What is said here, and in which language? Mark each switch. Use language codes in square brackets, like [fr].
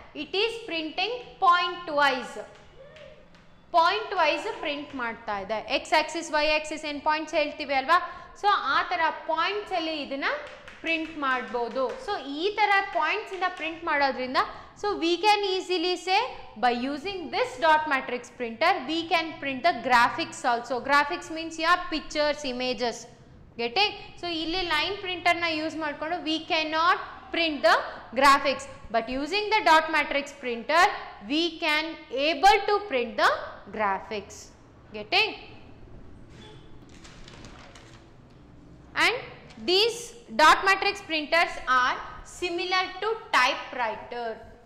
[en] It is printing point wise. [kn] Point wise print ಮಾಡ್ತಾ ಇದೆ. X Axis Y Axis ಏನ್ points ಹೇಳ್ತೀವಿ ಅಲ್ವಾ, ಸೊ ಆ ತರ ಪಾಯಿಂಟ್ಸ್ ಅಲ್ಲಿ ಇದನ್ನ ಪ್ರಿಂಟ್ ಮಾಡಬಹುದು. [en] so [kn] ಈ ತರ ಪಾಯಿಂಟ್ಸ್ ಇಂದ ಪ್ರಿಂಟ್ ಮಾಡೋದ್ರಿಂದ [en] So we can easily say by using this dot matrix printer we can print the graphics also. Graphics means ಯಾ pictures images getting. So [kn] ಇಲ್ಲಿ ಲೈನ್ ಪ್ರಿಂಟರ್ನ ಯೂಸ್ ಮಾಡಿಕೊಂಡು [en] We can not print the graphics, but using the dot matrix printer we can able to print the graphics. Getting? And these dot matrix printers are similar to typewriter.